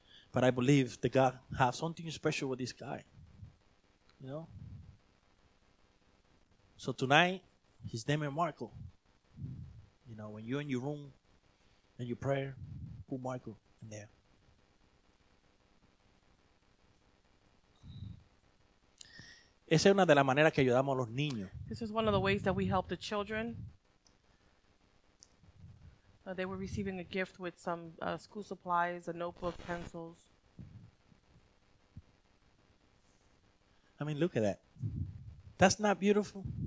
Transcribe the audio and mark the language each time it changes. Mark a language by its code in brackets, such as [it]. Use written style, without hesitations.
[en] But I believe that God has something special with this guy. You know? So tonight, his name is Marco. You know, when you're in your room and your prayer, put Marco in there. [es] Esa es una de las maneras que ayudamos a los niños. [en] This is one of the ways that we help the children. They were receiving a gift with some school supplies, a notebook, pencils. I mean, look at that. That's not beautiful.